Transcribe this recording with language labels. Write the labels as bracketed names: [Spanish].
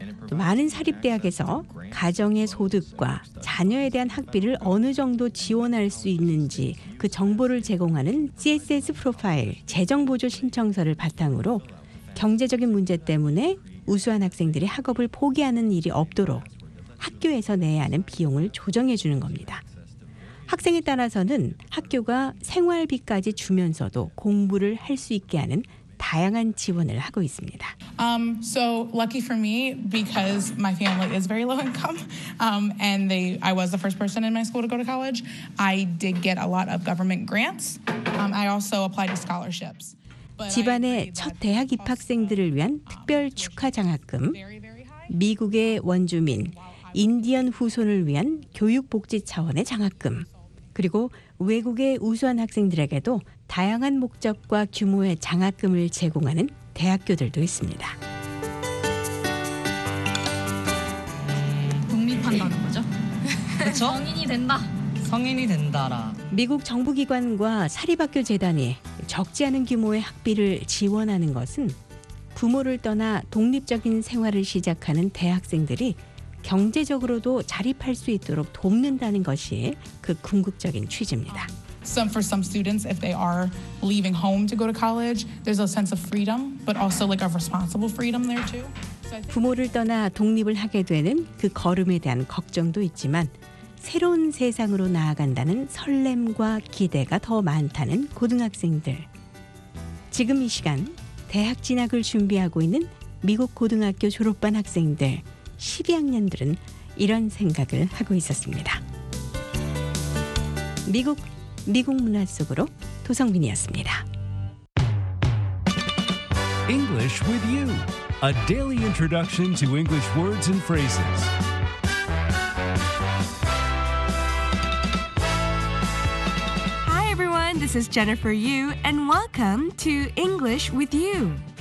[Korean] 많은 사립대학에서 가정의 소득과 자녀에 대한 학비를 어느 정도 지원할 수 있는지 그 정보를 제공하는 CSS 프로파일, 재정보조 신청서를 바탕으로 경제적인 문제 때문에 우수한 학생들이 학업을 포기하는 일이 없도록 학교에서 내야 하는 비용을 조정해 주는 겁니다. 학생에 따라서는 학교가 생활비까지 주면서도 공부를 할 수 있게 하는 다양한 지원을 하고 있습니다. [English] So lucky for me because my family is very low income and I was the first person in my school to go to college. I did get a lot of government grants. I also applied to scholarships. [Korean] 집안의 첫 대학 입학생들을 위한 특별 축하 장학금, 미국의 원주민, 인디언 후손을 위한 교육 복지 차원의 장학금, 그리고 외국의 우수한 학생들에게도 다양한 목적과 규모의 장학금을 제공하는 대학교들도 있습니다. 독립한다는 거죠? 그렇죠? 성인이 된다. 성인이 된다라. 미국 정부기관과 사립학교 재단이 적지 않은 규모의 학비를 지원하는 것은 부모를 떠나 독립적인 생활을 시작하는 대학생들이 경제적으로도 자립할 수 있도록 돕는다는 것이 그 궁극적인 취지입니다. [English] Some for some students, if they are leaving home to go to college, there's a sense of freedom, but also like a responsible freedom there too. [Korean] 부모를 떠나 독립을 하게 되는 그 걸음에 대한 걱정도 있지만 새로운 세상으로 나아간다는 설렘과 기대가 더 많다는 고등학생들. 지금 이 시간 대학 진학을 준비하고 있는 미국 고등학교 졸업반 학생들 12학년들은 이런 생각을 하고 있었습니다. 미국 문화 속으로 도성민이었습니다. [English] English with you. A daily introduction to English words and phrases. Hi everyone. This is Jennifer Yu, and welcome to English with You.